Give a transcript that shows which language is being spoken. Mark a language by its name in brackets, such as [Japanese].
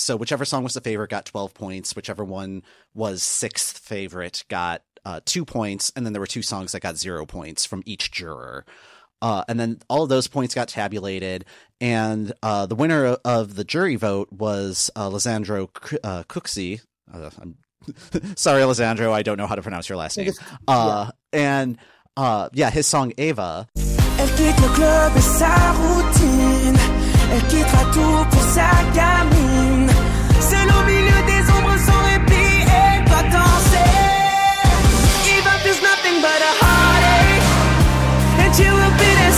[English] So whichever song was the favorite got 12 points, whichever one was 6th favorite got 2 points, and then there were 2 songs that got 0 points from each juror. And then all of those points got tabulated, and the winner of the jury vote was Lisandro Cuxi. Sorry, Lisandro, I don't know how to pronounce your last name. And his song Eva. [French] Elle quitte le club et sa routine. Elle quittera tout pour sa gamine. Seule au milieu des ombres sans répit, elle va danser. [English] Eva is nothing but a heartache. And she will be.